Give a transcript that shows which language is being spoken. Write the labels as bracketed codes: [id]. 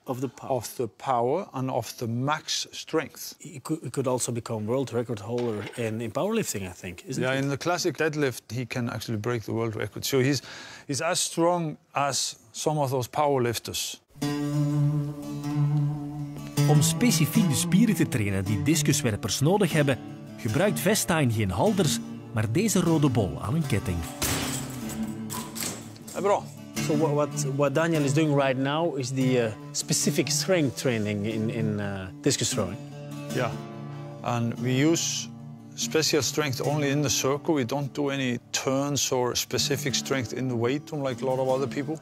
[en] of the power. Of the power and of the max strength. He could also become world record holder in powerlifting, I think, isn't it? Yeah, in the classic deadlift, he can actually break the world record. So he's as strong as some of those powerlifters. [nl] Om specifiek de spieren te trainen die discuswerpers nodig hebben, gebruikt Vestijn geen halters, maar deze rode bol aan een ketting. [en] Hey bro. So what Daniel is doing right now is the specific strength training in discus throwing. Yeah, and we use special strength only in the circle. We don't do any turns or specific strength in the weight room like a lot of other people.